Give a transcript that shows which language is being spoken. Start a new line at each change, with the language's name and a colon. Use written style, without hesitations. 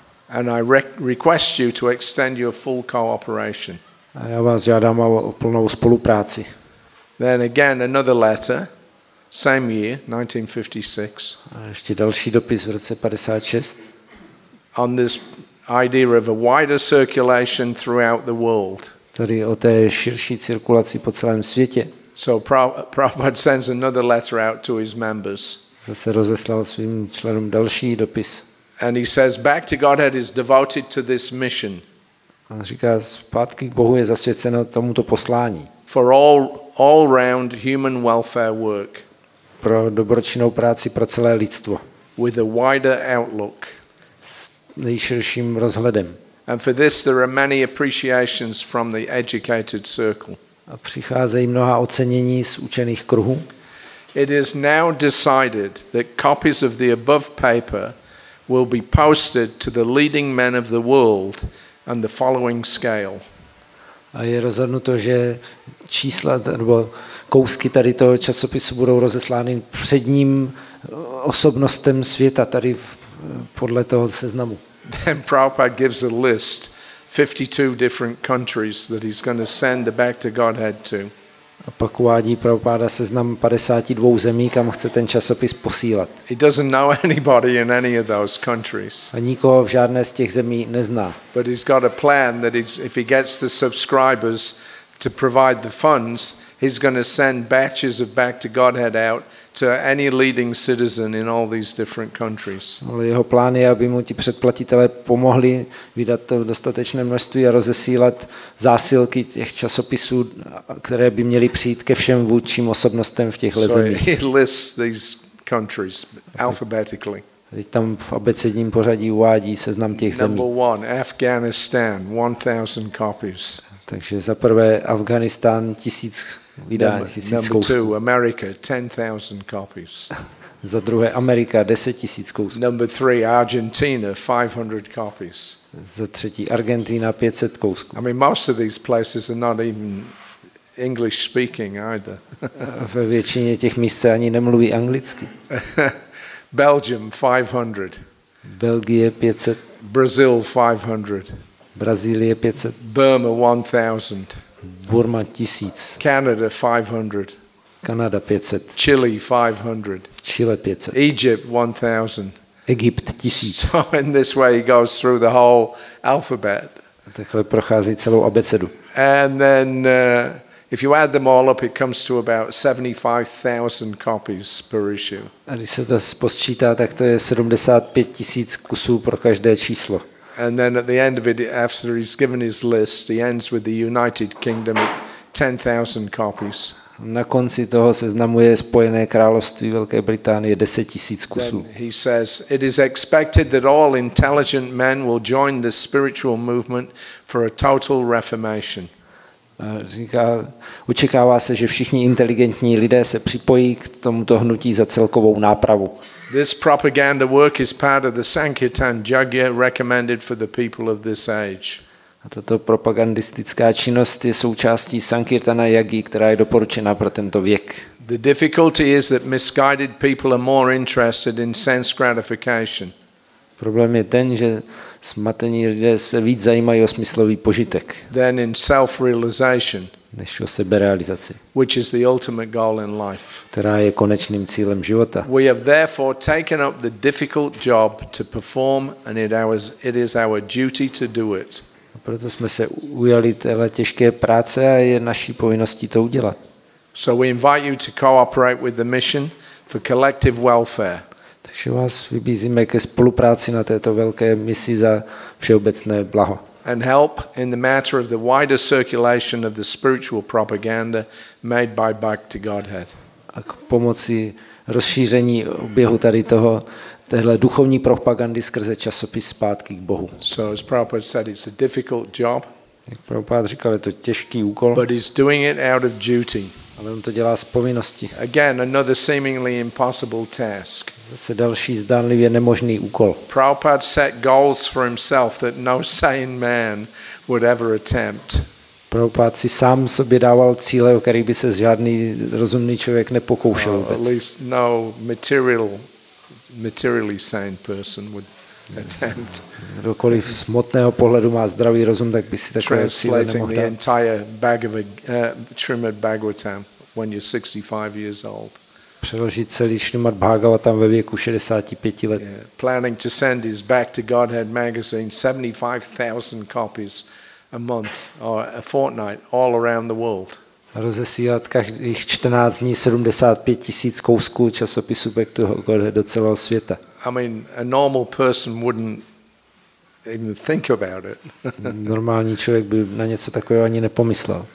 English: And I request you to extend your full cooperation.
Czech: A já vás žádám o plnou spolupráci.
English: Then again another letter, same year, 1956.
Czech: A ještě další dopis v roce 56.
English: On this idea of a wider circulation throughout the world.
Czech: Tady o té širší cirkulaci po celém světě.
English: So Prabhupada sends another letter out to his members.
Czech: Zase rozeslal svým členům další dopis.
English: And he says back to Godhead is devoted to this mission.
Czech: On říká, zpátky k Bohu je zasvěceno tomuto poslání.
English: For all round human welfare work.
Czech: Pro dobročinnou práci pro celé lidstvo.
English: With a wider outlook.
Czech: S nejširším rozhledem.
English: And for this there are many appreciations from the educated circle.
Czech: A přicházejí mnoha ocenění z učených kruhů.
English: It is now decided that copies of the above paper will be posted to the leading men of the world on the following scale.
Czech: A je rozhodnuto, že čísla nebo kousky tady toho časopisu budou rozeslány předním osobnostem světa tady podle toho seznamu.
English: Then Prabhupada gives a list 52 different countries that he's going to send the back to Godhead to.
Czech: A pak uvádí Prabhupáda seznam 52 zemí, kam chce ten časopis posílat.
English: He doesn't know anybody in any of those countries.
Czech: A nikoho v žádné z těch zemí nezná.
English: But he's got a plan that if he gets the subscribers to provide the funds, he's going to send batches of back to Godhead out to any leading citizen in all these different countries.
Czech: Ale jeho plán je, aby mu ti předplatitelé pomohli vydat to dostatečné množství a rozesílat zásilky těch časopisů, které by měly přijít ke všem vůdčím osobnostem v těchto zemích.
English: He lists these countries alphabetically.
Czech: Teď tam v abecedním pořadí uvádí seznam těch zemí.
English: Number one, Afghanistan, 1,000 copies.
Czech: Takže za prvé Afghánistán 1,000 vydání.
English: Number two, America, 10,000 copies.
Czech: Za druhé Amerika 10,000 kousků.
English: Number three, Argentina, 500 copies.
Czech: Za třetí Argentina 500 kousků.
English: I mean, most of these places are not even English speaking either.
Czech: Ve většině těch míst ani nemluví anglicky.
English: Belgium 500.
Czech: Belgie 500.
English: Brazil 500.
Czech: Brazílie 500.
English: Burma 1,000.
Czech: Burma 1,000.
English: Canada 500.
Czech: Kanada 500.
English: Chile 500.
Czech: Chile 500.
English: Egypt 1,000.
Czech: Egypt 1,000.
English: So in this way he goes through the whole alphabet.
Czech: Takhle prochází celou abecedu.
English: And then if you add them all up it comes to about 75,000 copies per issue.
Czech: A když se to spočítá, tak to je 75,000 kusů pro každé číslo.
English: And then at the end of it, after he's given his list, he ends with the United Kingdom at 10,000 copies.
Czech: Na konci toho seznamu je Spojené království Velké Británie 10 000 kusů.
English: He says it is expected that all intelligent men will join the spiritual movement for a total reformation.
Czech: Říká, očekává se, že všichni inteligentní lidé se připojí k tomuto hnutí za celkovou nápravu.
English: This propaganda work is part of the Sankirtan Jagya recommended for the people of this age.
Czech: A tato propagandistická činnost je součástí Sankirtana Jagy, která je doporučena pro tento věk.
English: The difficulty is that misguided people are more interested in sense gratification.
Czech: Problém je ten, že smatení lidé se víc zajímají o smyslový požitek.
English: Then in self-realization.
Czech: Než o seberealizaci,
English: which is the ultimate goal in life.
Czech: Která je konečným cílem života.
English: We have therefore taken up the difficult job to perform and it is our duty to do it.
Czech: Proto jsme se ujali téhle těžké práce a je naší povinností to udělat.
English: So we invite you to cooperate with the mission for collective welfare.
Czech: Takže vás vybízíme ke spolupráci na této velké misi za všeobecné blaho.
English: And help in the matter of the wider circulation of the spiritual propaganda made by Bhakti Godhead.
Czech: A k pomoci rozšíření oběhu tady toho téhle duchovní propagandy skrze časopis Zpátky k Bohu.
English: So as Prabhupada said, it's a difficult job.
Czech: Jak Prabhupada říkal, je to těžký úkol.
English: But he's doing it out of duty.
Czech: Ale on to dělá z povinnosti.
English: Again, another seemingly impossible task.
Czech: Zase další zdánlivě nemožný úkol.
English: Prabhupada set goals for himself that no sane man would ever attempt.
Czech: Prabhupada si sám sobě dával cíle, o kterých by se žádný rozumný člověk nepokoušel vůbec.
English: At least no materially sane person would attempt.
Czech: Kdokoliv z hmotného pohledu má zdravý rozum, tak by si takové cíle nemohl dát.
English: Translating the entire Srimad Bhagavatam when you're 65 years old.
Czech: Přeložit celý Srimad Bhagavatam ve věku 65 let.
English: Yeah. Planning to send his Back to Godhead magazine 75,000 copies a month or a fortnight all around the world.
Czech: Rozesílat každých 14 dní 75 000 kousků časopisu Back to Godhead do celého světa.
English: I mean, a normal person wouldn't even think about it.
Czech: Normální člověk by na něco takového ani nepomyslel.